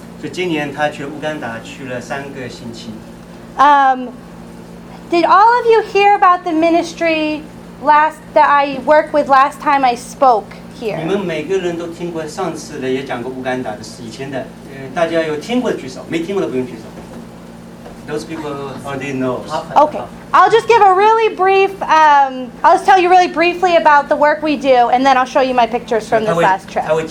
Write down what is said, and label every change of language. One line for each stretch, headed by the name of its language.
English: Did all of you hear about the ministry that I worked with last time I spoke here?
Chinese: 你们每个人都听过上次的，也讲过乌干达的事，以前的。大家有听过举手，没听过的不用举手。
English: Those people already know. Okay, I'll just give a really brief, I'll just tell you really briefly about the work we do, and then I'll show you my pictures from this last trip.